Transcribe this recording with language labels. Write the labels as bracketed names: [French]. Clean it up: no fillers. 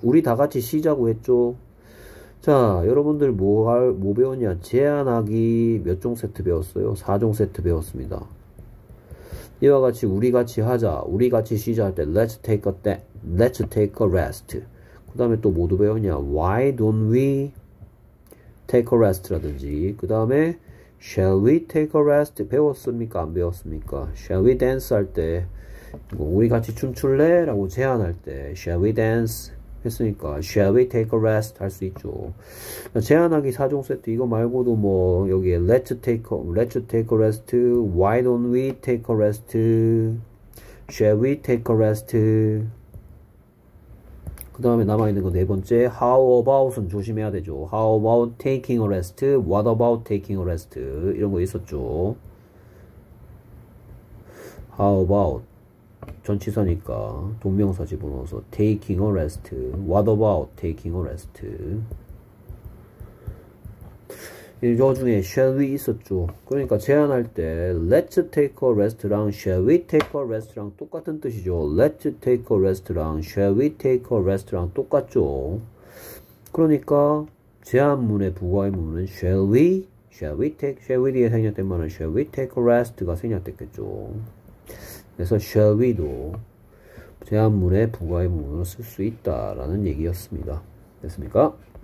[Korean] 우리 다 같이 쉬자고 했죠. 자, 여러분들 뭐 배웠냐? 제안하기 몇종 세트 배웠어요? 4종 세트 배웠습니다. 이와 같이 우리 같이 하자. 우리 같이 쉬자 할때 [English] Let's take a rest. [Korean] 그다음에 또 뭐도 배웠냐? [English] Why don't we take a rest [Korean] 라든지. [English] 그다음에 Shall we take a rest? [Korean] 배웠습니까? 안 배웠습니까? [English] Shall we dance [Korean] 할 때. 우리 같이 춤출래? 라고 제안할 때 [English] Shall we dance? [Korean] 했으니까 [English] Shall we take a rest? [Korean] 할수 있죠. 제안하기 4종 세트 이거 말고도 뭐 여기에 [English] Let's take a rest. Why don't we take a rest? Shall we take a rest? [Korean] 그 다음에 남아있는 거네 번째 How about은 조심해야 되죠. [English] How about taking a rest? What about taking a rest? [Korean] 이런 거 있었죠. How about 전치사니까 동명사 집어넣어서 [English] taking a rest. What about taking a rest? [Korean] 이 중에 shall we 있었죠. 그러니까 제안할 때 [English] let's take a rest [Korean] 랑 [English] shall we take a rest [Korean] 랑 똑같은 뜻이죠. [English] Let's take a rest [Korean] 랑 [English] shall we take a rest [Korean] 랑 똑같죠. 그러니까 제안문의 부가의문은 shall we 뒤에 생략된 말은 [English] shall we take a rest [Korean] 가 생략됐겠죠. 그래서 shall we도 제안문의 부가의문으로 쓸수 있다라는 얘기였습니다. 됐습니까?